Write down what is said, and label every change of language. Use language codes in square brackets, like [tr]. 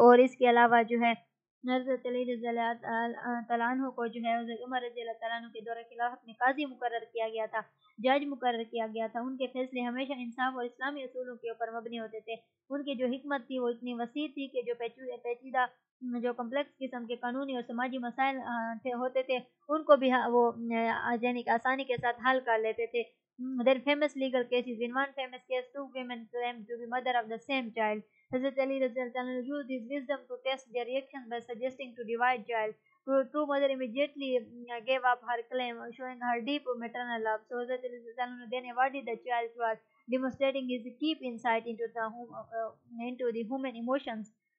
[ur] اور اس کے علاوہ جو ہے حضرت علی رضی اللہ تعالیٰ عنہ کو جو ہے حضرت عمر رضی اللہ تعالیٰ عنہ کے دورہ خلافت میں قاضی مقرر کیا گیا تھا, جج مقرر کیا گیا تھا. ان کے فیصلے ہمیشہ انصاف اور اسلامی اصولوں کے اوپر مبنی ہوتے تھے. ان کی جو حکمت تھی وہ اتنی وسیع تھی کہ جو پیچیدہ جو کمپلیکس قسم کے قانونی اور سماجی مسائل ہوتے تھے ان کو بھی وہ یعنی کہ آسانی کے ساتھ حل کر لیتے تھے. [en] Then famous legal cases. In one famous case two women claimed to be mother of the same child. Hazrat Ali رضی اللہ تعالیٰ عنہ used his wisdom to test their reaction by suggesting to divide child. True mother immediately gave up her claim showing her deep maternal love. So Hazrat Ali رضی اللہ عنہ then awarded the child to us demonstrating his deep insight into the human emotions.